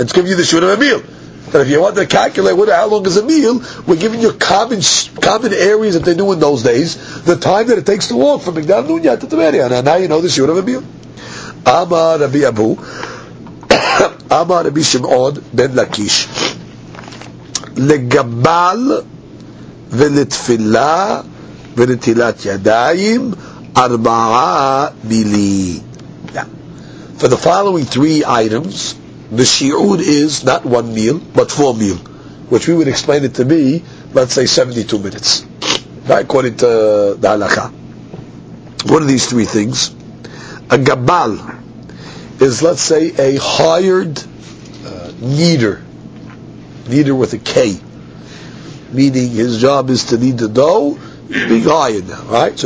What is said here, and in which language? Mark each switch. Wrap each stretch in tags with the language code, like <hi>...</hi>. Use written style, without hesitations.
<en>It's giving you the shiur of a meal. But if you want to calculate what, how long is a meal, we're giving you common areas that they knew in those days, the time that it takes to walk from Migdal Nunya to Temeria. Now you know the shiur of a meal.</en> <he>Amar Rabbi Abu, Amar Rabbi Shimon ben Lakish. לגבל ולתפילה ונטילת ידיים ארבעה מילים.</he> <en>For the following three items, the shi'ud is not one meal, but four meal, which we would explain it to be, let's say, 72 minutes, according to the halakha. What are these three things? A gabal is, let's say, a hired kneader with a K, meaning his job is to knead the dough, being hired now, right?</en>